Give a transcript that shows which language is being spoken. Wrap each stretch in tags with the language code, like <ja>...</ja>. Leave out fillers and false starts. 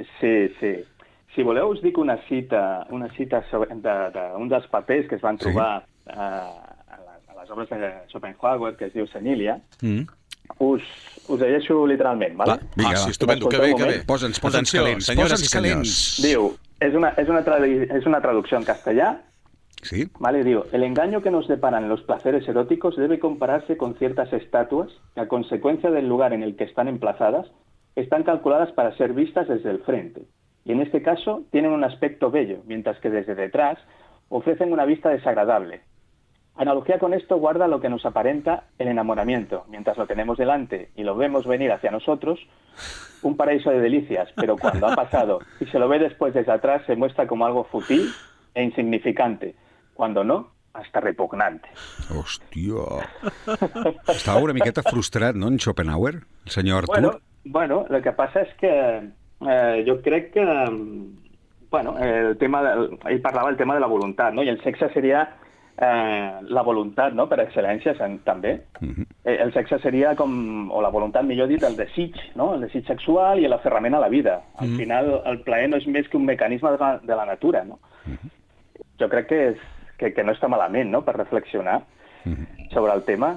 <ca>Si voleu, us dic una cita d'un dels papers que es van trobar a les obres de Schopenhauer, que es diu Senilia. Us llegeixo literalment, vale? Vinga, sí, estupendo, que bé. Posa'ns calents, senyores i senyors. Diu, és una traducció en castellà. Sí.</ca> <es>Vale, diu, el engaño que nos deparan los placeres eróticos debe compararse con ciertas estatuas que, a consecuencia del lugar en el que están emplazadas, están calculadas para ser vistas desde el frente. Y en este caso, tienen un aspecto bello, mientras que desde detrás ofrecen una vista desagradable. Analogía con esto guarda lo que nos aparenta el enamoramiento. Mientras lo tenemos delante y lo vemos venir hacia nosotros, un paraíso de delicias, pero cuando ha pasado y se lo ve después desde atrás, se muestra como algo fútil e insignificante. Cuando no, hasta repugnante.</es> <ca>Hòstia. Estava una miqueta frustrat, no, en Schopenhauer, el senyor Artur?</ca> <es>Bueno, lo que pasa es que yo creo que, bueno, el tema, ahí</es> <ca>parlava el tema de la voluntat,</ca> <es>¿no? Y</es> <ca>el sexe seria... la voluntat, no?, per excel·lència, també. Uh-huh. El sexe seria com, o la voluntat, millor dit, el desig, no?, el desig sexual i l'aferrament a la vida. Al uh-huh. final, el plaer no és més que un mecanisme de la natura, no? Uh-huh. Jo crec que, és, que no està malament, no?, per reflexionar uh-huh. sobre el tema.</ca>